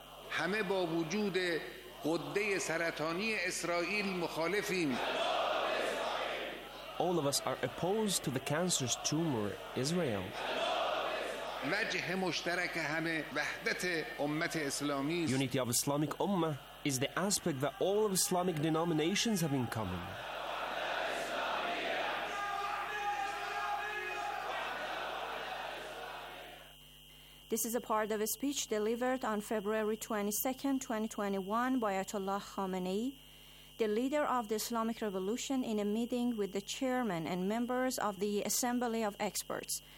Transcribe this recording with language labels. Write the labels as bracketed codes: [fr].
[fa] همه با وجود غده سرطانی اسرائیل مخالفیم [en] All of us are opposed to the cancer's tumor, Israel. [fa] وجه مشترک همه وحدت امت اسلامی [en] Unity of Islamic Ummah is the aspect that all of Islamic denominations have in common. This is a part of a speech delivered on February 22, 2021 by Ayatollah Khamenei, the leader of the Islamic Revolution, in a meeting with the chairman and members of the Assembly of Experts.